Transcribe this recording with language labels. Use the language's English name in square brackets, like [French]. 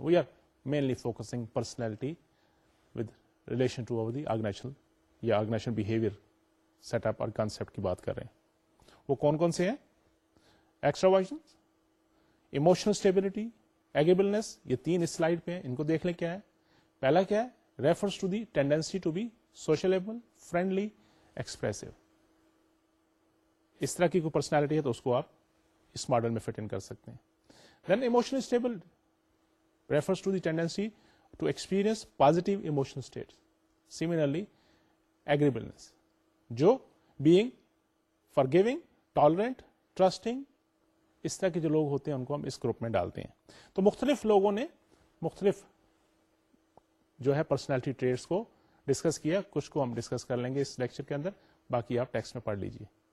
[English] We are mainly focusing personality with relation to the organizational ya organizational behavior setup or concept [Urdu] ki baat kar rahe hain. Wo kon kon se hain? [English] Extroversion, emotional stability, agreeableness. [Urdu] Ye teen slide pe hain, inko dekh le kya hai. Pehla kya hai? [English] Refers to the tendency to be sociable, friendly, expressive. [Urdu] اس طرح کی کوئی personality ہے تو اس کو آپ اس model میں fit ان کر سکتے ہیں. [English] Then emotionally stable refers to the tendency to experience positive emotional states. [Urdu] Similarly, agreeableness, جو [English] being forgiving, tolerant, trusting, [Urdu] اس طرح کے جو لوگ ہوتے ہیں ان کو ہم اس گروپ میں ڈالتے ہیں. تو مختلف لوگوں نے مختلف جو ہے پرسنالٹی ٹریٹس کو ڈسکس کیا, کچھ کو ہم ڈسکس کر لیں گے اس لیکچر کے اندر, باقی آپ ٹیکسٹ میں پڑھ لیجئے.